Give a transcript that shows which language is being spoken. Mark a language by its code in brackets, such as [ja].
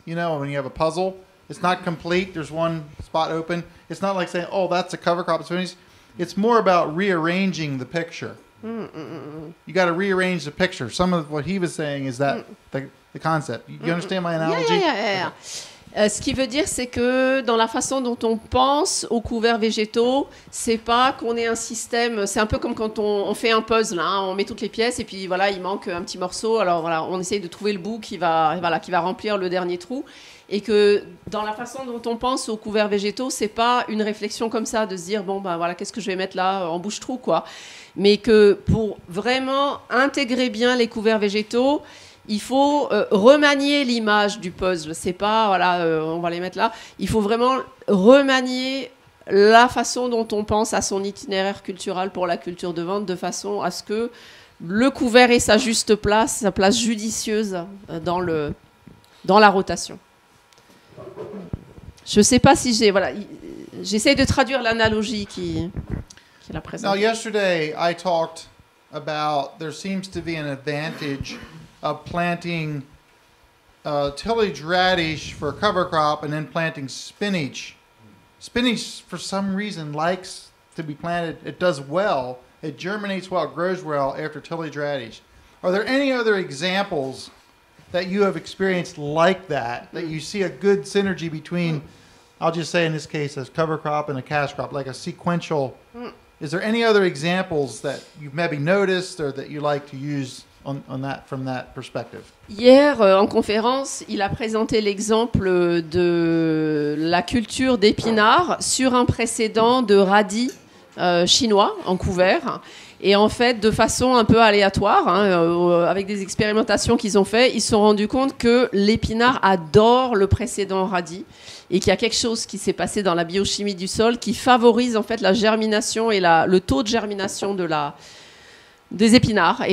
[en] You know, when you have a puzzle, it's not complete. There's one spot open. It's not like saying, oh, that's a cover crop. It's more about rearranging the picture. Mm-mm. You got to rearrange the picture. Some of what he was saying is that the concept. You understand my analogy? Yeah. Okay. [fr] Ce qui veut dire, c'est que dans la façon dont on pense aux couverts végétaux, c'est pas qu'on ait un système. C'est un peu comme quand on fait un puzzle, hein, on met toutes les pièces et puis voilà, il manque un petit morceau. Alors voilà, on essaye de trouver le bout qui va, voilà, qui va remplir le dernier trou. Et que dans la façon dont on pense aux couverts végétaux, c'est pas une réflexion comme ça de se dire bon ben voilà, qu'est-ce que je vais mettre là en bouche-trou quoi. Mais que pour vraiment intégrer bien les couverts végétaux, il faut remanier l'image du puzzle. C'est pas voilà, on va les mettre là. Il faut vraiment remanier la façon dont on pense à son itinéraire culturel pour la culture de vente, de façon à ce que le couvert ait sa juste place, sa place judicieuse dans le dans la rotation. Je sais pas si j'ai voilà, j'essaie de traduire l'analogie qui la présente. [en] Now yesterday I talked about there seems to be an advantage of planting tillage radish for a cover crop and then planting spinach. Spinach for some reason likes to be planted. It does well. It germinates well, grows well after tillage radish. Are there any other examples that you have experienced like that, that you see a good synergy between, I'll just say in this case, a cover crop and a cash crop, like a sequential. Is there any other examples that you've maybe noticed or that you like to use on that from that perspective? [fr] Hier, en conférence, il a présenté l'exemple de la culture d'épinards sur un précédent de radis chinois en couvert. Et en fait, de façon un peu aléatoire, hein, avec des expérimentations qu'ils ont faites, ils se sont rendus compte que l'épinard adore le précédent radis et qu'il y a quelque chose qui s'est passé dans la biochimie du sol qui favorise en fait la germination et le taux de germination des épinards.